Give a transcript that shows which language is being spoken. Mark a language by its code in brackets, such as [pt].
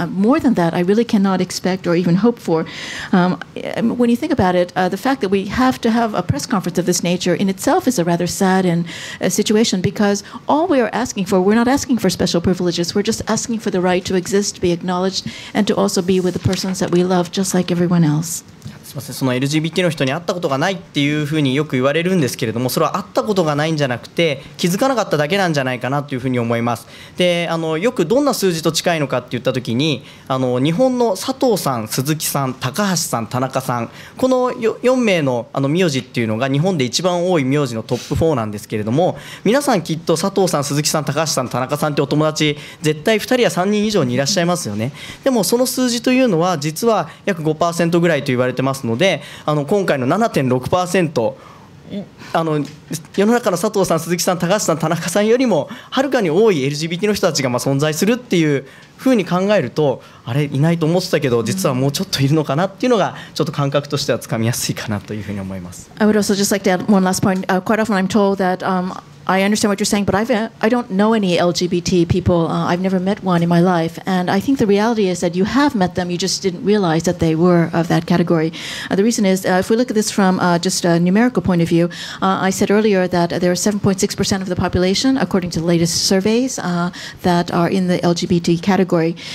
[en] More than that, I really cannot expect or even hope for. When you think about it, the fact that we have to have a press conference of this nature in itself is a rather sad and situation, because all we are asking for, we're not asking for special privileges, we're just asking for the right to exist, to be acknowledged, and to also be with the persons that we love just like everyone else. [ja] その LGBT の人に会ったことがないっていうふうによく言われるんですけれども、それは会ったことがないんじゃなくて気づかなかっただけなんじゃないかなというふうに思います。で、よくどんな数字と近いのかって言った時に、日本の佐藤さん、鈴木さん、高橋さん、田中さん、この4名の名字っていうのが日本で一番多い名字のトップ4なんですけれども、皆さんきっと佐藤さん、鈴木さん、高橋さん、田中さんってお友達絶対2人や3人以上にいらっしゃいますよね。でもその数字というのは実は約 5% ぐらいと言われてますので、今回の 7.6% 世の中の佐藤さん、鈴木さん、高橋さん、田中さんよりもはるかに多い LGBT の人たちが存在するっていうふうに考えると、あれいないと思ってたけど実はもうちょっといるのかなっていうのがちょっと感覚としてはつかみやすいかなというふうに思います。 [en] I would also just like to add one last point. Quite often I'm told that I understand what you're saying, but I don't know any LGBT people. I've never met one in my life. And I think the reality is that you have met them, you just didn't realize that they were of that category. The reason is, if we look at this from just a numerical point of view, I said earlier that there are 7.6% of the population, according to the latest surveys, that are in the LGBT category.